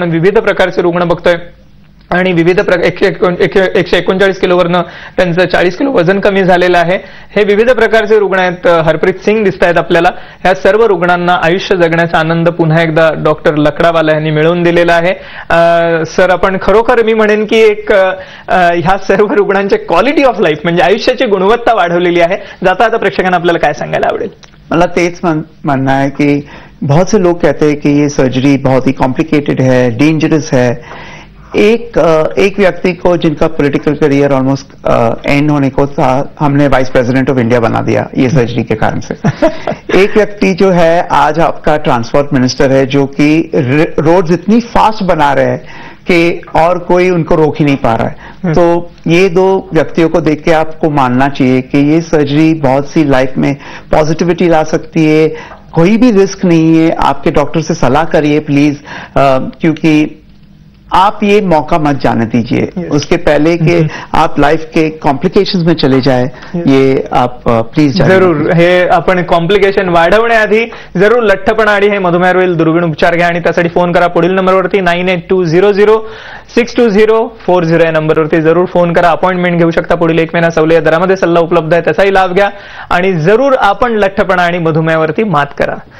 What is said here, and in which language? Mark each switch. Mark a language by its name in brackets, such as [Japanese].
[Marathi] आपण विविध प्रकारचे रुग्ण बघतोय आणि विविध एकशे एकोणचाळीस किलोवरनं त्यांचं 40 किलो वजन कमी झालेलं आहे, हे विविध प्रकारचे रुग्ण आहेत, हरप्रीत सिंग दिसतायत आपल्याला, ह्या सर्व रुग्णांना आयुष्य जगण्याचा आनंद पुन्हा एकदा डॉक्टर लकडावाला यांनी मिळवून दिलेला आहे। सर, आपण खरोखर मी म्हणेन की एक ह्या सर्व रुग्णांचे क्वालिटी ऑफ लाईफ म्हणजे आयुष्याची गुणवत्ता वाढवलेली आहे, जाता आता प्रेक्षकांना आपल्याला काय सांगायला आवडेल? मला तेच म्हणणं आहे की [Hindi] बहुत से लोग कहते हैं कि ये सर्जरी बहुत ही कॉम्प्लिकेटेड है, डेंजरस है। एक व्यक्ति को जिनका पॉलिटिकल करियर ऑलमोस्ट एंड होने को था, हमने वाइस प्रेसिडेंट ऑफ इंडिया बना दिया ये सर्जरी के कारण से। एक व्यक्ति जो है आज आपका ट्रांसपोर्ट मिनिस्टर है, जो कि रोड्स इतनी फास्ट बना रहे हैं कि और कोई उनको रोक ही नहीं पा रहा है। तो ये दो व्यक्तियों को देख के आपको मानना चाहिए कि ये सर्जरी बहुत सी लाइफ में पॉजिटिविटी ला सकती है, कोई भी रिस्क नहीं है। आपके डॉक्टर से सलाह करिए प्लीज, क्योंकि आप ये मौका मत जाने दीजिए। [English] yes. [Hindi] उसके पहले कि आप लाइफ के कॉम्प्लिकेशंस में चले जाए। yes. ये आप प्लीज [Marathi] जरूर हे आपण कॉम्प्लिकेशन वाढवण्याआधी जरूर लठ्ठपणा आणि हे मधुमेहावरील दुर्गुण उपचार घ्या, आणि त्यासाठी फोन करा पुढील नंबरवरती 9820062040 या नंबरवरती जरूर फोन करा, अपॉइंटमेंट घेऊ शकता, पुढील 1 महिना सवलत दरामध्ये सल्ला उपलब्ध आहे, त्याचाही लाभ घ्या, आणि जरूर आपण लठ्ठपणा आणि मधुमेहावरती मात करा।